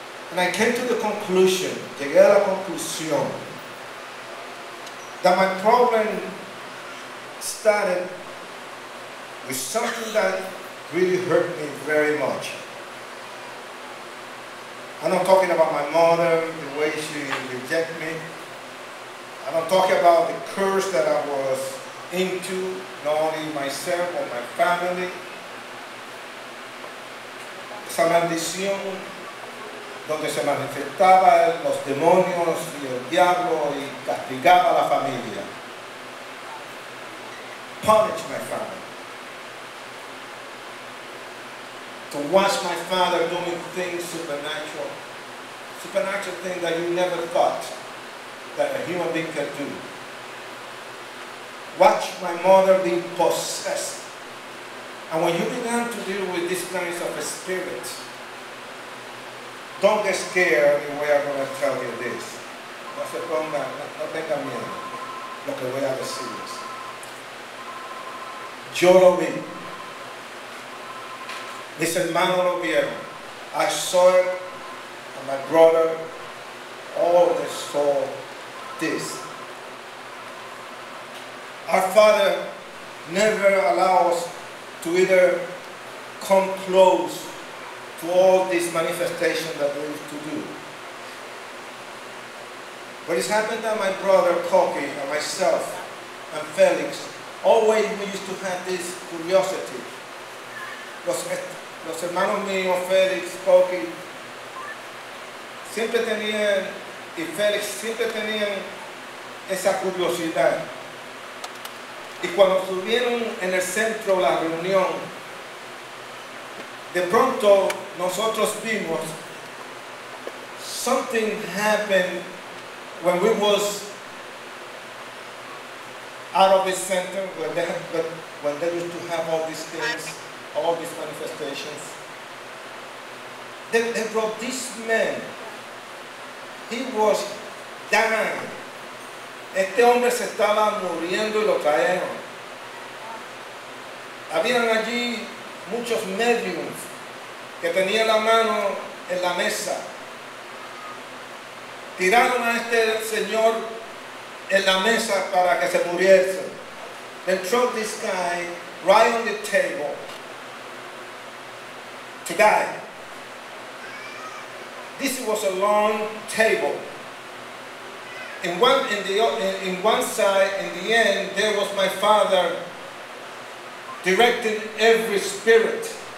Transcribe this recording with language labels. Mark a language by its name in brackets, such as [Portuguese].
[English] And I came to the conclusion, [Spanish] llegué a la conclusión, [English] that my problem started with something that really hurt me very much. I'm not talking about my mother, the way she rejected me. I'm not talking about the curse that I was into, not only myself or my family. [Spanish] Esa maldición donde se manifestaban los demonios y el diablo y castigaba a la familia. [English] Punish my family. To watch my father doing things supernatural. Supernatural things that you never thought that a human being could do. Watch my mother being possessed. And when you begin to deal with these kinds of spirits, don't get scared the way I'm going to tell you this. [Spanish] No se ponga, no tenga miedo lo que voy a decirles. Yo lo vi. Mis hermanos lo vieron. [English] I saw it, and my brother, all of us saw this. Our father never allowed us to either come close to all this manifestation that they used to do. But it's happened that my brother Koki and myself and Felix, always we used to have this curiosity. [Spanish] Los hermanos míos, Felix, Koki, siempre tenían, y Felix siempre tenían esa curiosidad. Y cuando estuvieron en el centro de la reunión, de pronto nosotros vimos [English] something happened when we was out of the center, when they used to have all these things, all these manifestations. They brought this man. He was dying. [Spanish] Este hombre se estaba muriendo y lo trajeron. Habían allí muchos médiums que tenían la mano en la mesa. Tiraron a este señor en la mesa para que se muriese. [English] They threw this guy right on the table to die. This was a long table. In one side, in the end, there was my father directing every spirit.